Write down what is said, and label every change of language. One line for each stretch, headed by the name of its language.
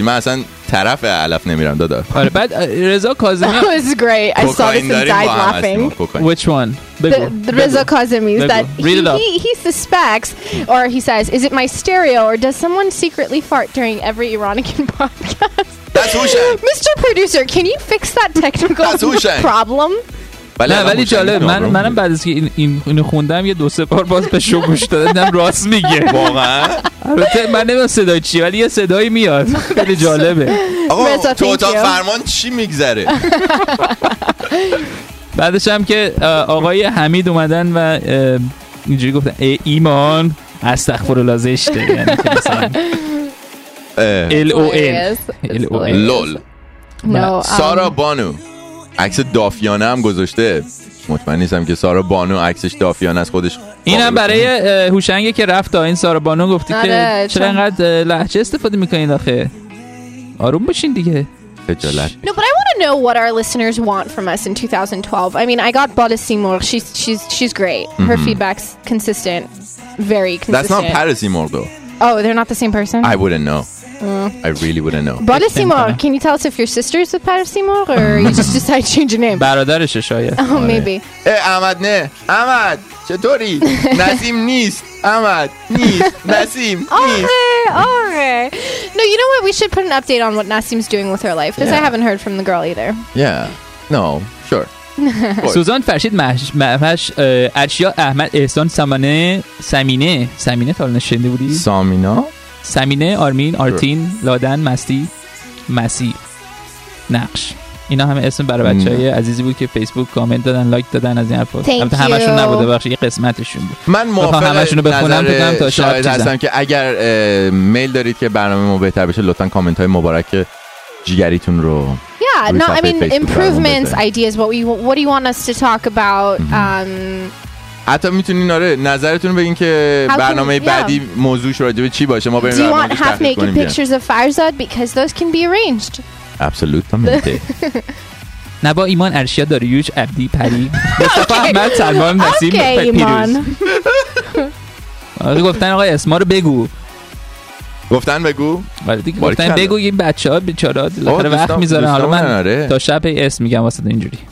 Persian: من اصلا طرف علف نمیرم دادا. آره بعد رضا کاظمی.
English: It was great. I saw this and died laughing. Which one? The Rizzo Kazemi is that he suspects, or he says, is it my stereo or does someone secretly fart during every Iranian podcast? That's Hushang. Mr. Producer, can you fix that technical problem?
Persian: بله ولی جالب، منم بعد از که اینو خوندم یه دو سه بار باز به شو گوش دادم، راست میگه واقعا. البته من نمیدونم صدای چی، ولی یه صدایی میاد خیلی جالبه. آقا تو اتاق فرمان چی میگذره؟ بعدش هم که آقای حمید اومدن و اینجوری گفتن ای ایمان استغفر الله زشته، یعنی مثلا ال او ال لول. سارا بانو عکس دافیانه هم گذاشته، مطمئن نیستم که سارا بانو عکسش دافیانه از خودش. اینم برای هوشنگه که رفت تا این سارا بانو گفتی که چرا انقدر لهجه استفاده میکنین آخه، آروم باشین دیگه.
English: No, but I want to know what our listeners want from us in 2012. I mean, I got Bala Seymour. She's great. Her feedback's consistent. Very consistent. That's not Paris Seymour, though. Oh, they're not the same person? I wouldn't know. I really wouldn't know. Bala Seymour, can you tell us if your sister's with Paris Seymour or you just decide to change your name?
Persian: برادرش شاید.
English: Oh, maybe. Hey, Ahmad, ne.
Persian: Ahmad, چطوری? Nasim نیست. Ahmad, نیست. Nasim, نیست.
English: Okay. No, you know what? We should put an update on what Nassim's doing with her life, because I haven't heard from the girl either. Yeah. No, sure.
Persian: سوزان فرشید محش اشیا احمد احسان سمانه سمینه سمینه تا الان شنیده بودی؟ سامینا سمینه آرمین آرتین لادن مستی مسی نقش، اینا همه اسم برای بچه‌های عزیزی بود که فیسبوک کامنت دادن، لایک دادن از این حرفا. البته همشون نبوده، بخش یه قسمتشون بود. من همشون رو بخونم بگم تا شاید هستم که اگر میل دارید که برنامه ما بهتر بشه، لطفاً کامنت های مبارک جیگریتون رو.
English: Yeah, no, I mean improvements, ideas, what do you want us to talk about?
Persian: حتی میتونین آره نظرتون رو بگین که برنامه بعدی موضوعش راجع به چی باشه، ما بریم.
English: Do you want half naked pictures of Farzad, because those can be arranged.
Spanish: Absolutamente.
Persian: نبا ایمان ارشیا داریوش عبدی پری مصطفى احمد سلمان نسیم پیروز گفتن آقای اسما رو بگو، گفتن بگو گفتن بگو، یه بچه ها بیچاره دلخره وقت میذارن، حالا من تا شب اسم میگم واسه اینجوری.